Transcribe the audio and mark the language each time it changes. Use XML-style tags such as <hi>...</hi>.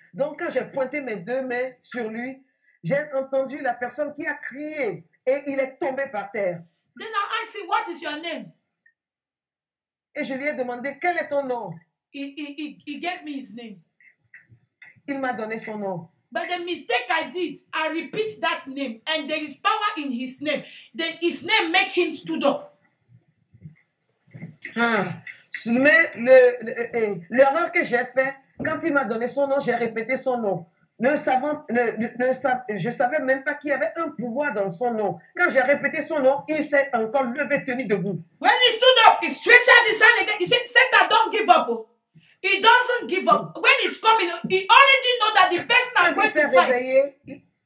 <fr>Donc quand j'ai pointé mes deux mains sur lui, j'ai entendu la personne qui a crié et il est tombé par terre.</fr> <en>Then I asked him, what is your name?</en> <fr>Et je lui ai demandé, quel est ton nom?</fr> <en>He gave me his name.</en> <fr>Il m'a donné son nom.</fr> <en>But the mistake I did, I repeat that name, and there is power in his name. Then his name make him stood up.</en> <fr>Ah, mais l'erreur que j'ai fait, quand il m'a donné son nom, j'ai répété son nom. Je savais même pas qu'il y avait un pouvoir dans son nom. Quand j'ai répété son nom, il s'est encore levé, tenu debout.</fr> <en>When he stood up, he stretched his hand again. He said, "Satan, don't give up." He doesn't give up. When he's coming, he already know that the best man going to fight.</en>